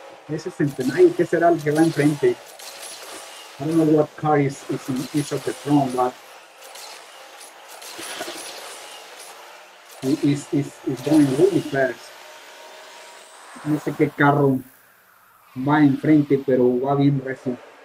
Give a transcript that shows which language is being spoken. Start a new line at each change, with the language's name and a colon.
Spanish: Ese centenario, ¿qué será el que va enfrente?
English: I don't know what car is in each of the front, but it's going really fast.
Spanish: No sé qué carro va enfrente, pero va bien recio.